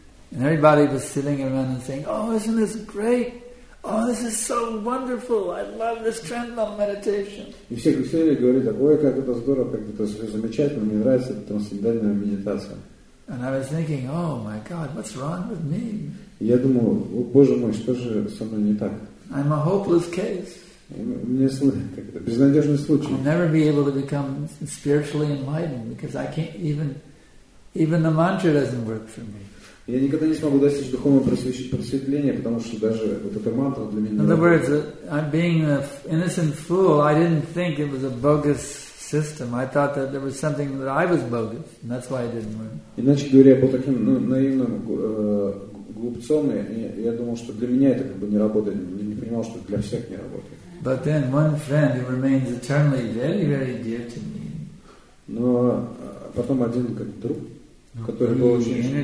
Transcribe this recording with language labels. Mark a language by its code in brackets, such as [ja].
[en] And everybody was sitting around and saying, "Oh, isn't this great? Oh, this is so wonderful! I love this transcendental meditation." [ru] И все сидели и говорили: "Ой, как это здорово, как это замечательно! Мне нравится эта трансцендентальная медитация." [en] And I was thinking, "Oh my God, what's wrong with me?" [ru] Я думаю: "Боже мой, что же со мной не так?" [en] I'm a hopeless case. [ru] Безнадежный случай. [en] I'll never be able to become spiritually enlightened because I can't even the mantra doesn't work for me. [ru] Я никогда не смогу достичь духовного просветления, потому что даже эта мантра для меня. [en] In other words, I'm being an innocent fool. I didn't think it was a bogus system. I thought that there was something that I was bogus, and that's why it didn't work. [ru] Иначе говоря, я был таким наивным глупцом, и я думал, что для меня это не работает. Я не понимал, что для всех не работает. [en] But then one friend who remains eternally very, very dear to me. [ru] Но потом один как друг, который был очень